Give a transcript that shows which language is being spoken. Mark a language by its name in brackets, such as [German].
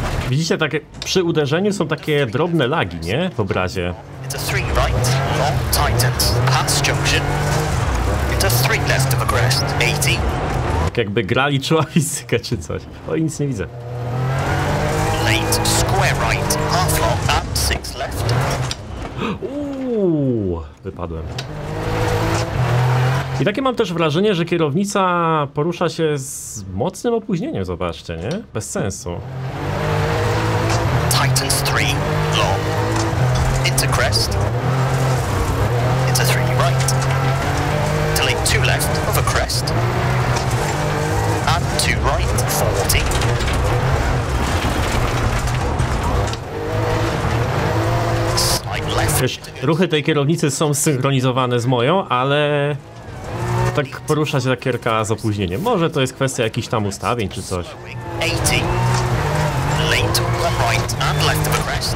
[Polish] Widzicie, takie przy uderzeniu są takie drobne lagi, nie? W obrazie. [English] Into three right, long tightens, pass junction. Into three left of a crest, 80. [Polish] Tak jakby grali człowieka czy coś. O, nic nie widzę. [English] Late, square right, half long, and six left. [Polish] Uuuu, wypadłem. I takie mam też wrażenie, że kierownica porusza się z mocnym opóźnieniem, zobaczcie, nie? Bez sensu. [English] Titans 3, long. Into crest. Into 3, right. Delay 2 left, over crest. And 2 right, 40. Slide left. [Polish] Wiesz, ruchy tej kierownicy są zsynchronizowane z moją, ale... Tak porusza się ta kierka z opóźnieniem. Może to jest kwestia jakichś tam ustawień czy coś. [English] 80. Late, one right and left of a crest.